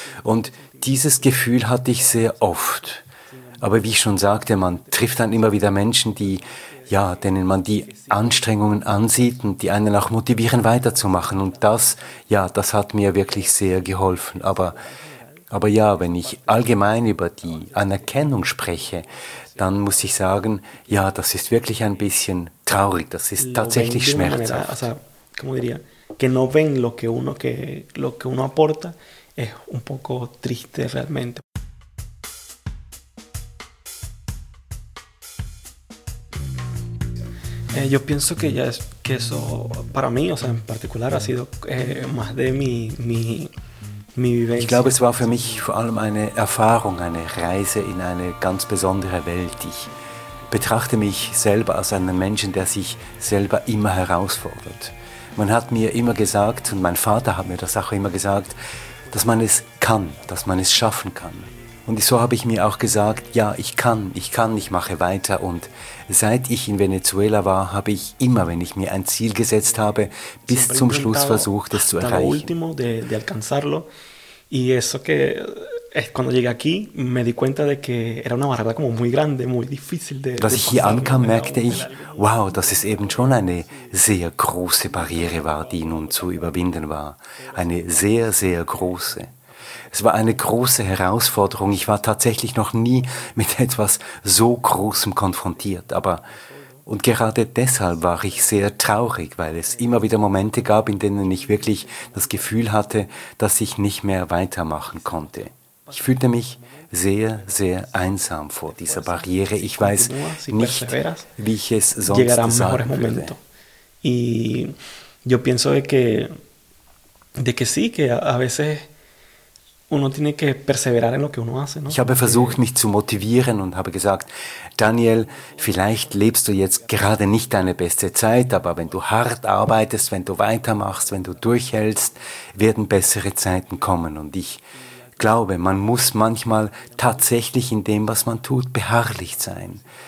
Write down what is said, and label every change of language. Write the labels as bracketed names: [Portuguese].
[German] Und dieses Gefühl hatte ich sehr oft. Aber wie ich schon sagte, man trifft dann immer wieder Menschen, die, ja, denen man die Anstrengungen ansieht und die einen auch motivieren, weiterzumachen. Und das, ja, das hat mir wirklich sehr geholfen. Aber ja, wenn ich allgemein über die Anerkennung spreche, dann muss ich sagen, ja, das ist wirklich ein bisschen traurig. Das ist tatsächlich schmerzhaft. [Spanish] Also, como diría, que no ven lo que uno aporta, es un poco triste realmente. Yo pienso que ya es que eso para mí, o sea, en particular ha sido más de mi vivencia. [German] Ich glaube, es war für mich vor allem eine Erfahrung, eine Reise in eine ganz besondere Welt. Ich betrachte mich selber als einen Menschen, der sich selber immer herausfordert. Man hat mir immer gesagt, und mein Vater hat mir das auch immer gesagt, dass man es kann, dass man es schaffen kann. Und so habe ich mir auch gesagt, ja, ich kann, ich mache weiter. Und seit ich in Venezuela war, habe ich immer, wenn ich mir ein Ziel gesetzt habe, bis zum Schluss versucht, es zu erreichen. [Spanish] Hasta lo último de alcanzarlo. Y eso que es cuando llegué aquí, me di cuenta de que era una barrera como muy grande, muy difícil de. [German] Als ich hier ankam, merkte ich, wow, dass es eben schon eine sehr große Barriere war, die nun zu überwinden war. Eine sehr, sehr große. Es war eine große Herausforderung. Ich war tatsächlich noch nie mit etwas so Großem konfrontiert. Und gerade deshalb war ich sehr traurig, weil es immer wieder Momente gab, in denen ich wirklich das Gefühl hatte, dass ich nicht mehr weitermachen konnte. Ich fühlte mich sehr, sehr einsam vor dieser Barriere. Ich weiß nicht, wie ich es sonst sagen würde. Und ich denke, dass ja, dass [Spanish] uno tiene que perseverar en lo que uno hace, ¿no? [German] Ich habe versucht, mich zu motivieren und habe gesagt, Daniel, vielleicht lebst du jetzt gerade nicht deine beste Zeit, aber wenn du hart arbeitest, wenn du weitermachst, wenn du durchhältst, werden bessere Zeiten kommen. Und ich glaube, man muss manchmal tatsächlich in dem, was man tut, beharrlich sein.